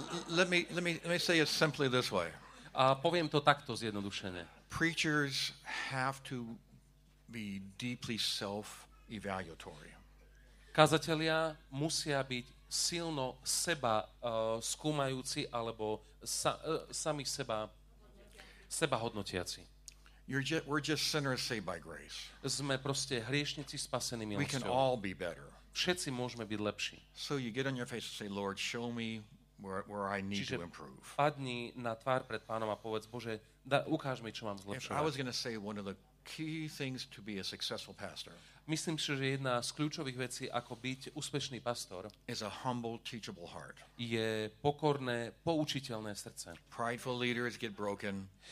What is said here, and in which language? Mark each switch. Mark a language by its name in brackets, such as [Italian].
[English] Let me say it simply this way. [Slovak] A poviem to takto zjednodušene. [English] Preachers have to be deeply self-evaluatory. [Slovak] Kazatelia musia byť silno seba skúmajúci alebo sami seba hodnotiaci. [English] We're just sinners saved by grace. [Slovak] Sme proste hriešnici spasení milosťou. [English] We can all be better. [Slovak] Všetci môžeme byť lepší. [English] So you get on your face and say, Lord, show me where I need to improve. [Slovak] Čiže padni na tvár pred Pánom a povedz, Bože, ukáž mi, čo mám zlepšovať. [English] I was going to say one of the key things to be a successful pastor. [Slovak] Myslím si, že jedna z kľúčových vecí, ako byť úspešný pastor, [English] is a humble, teachable heart. [Slovak] Je pokorné, poučiteľné srdce. [English] Prideful leaders get broken.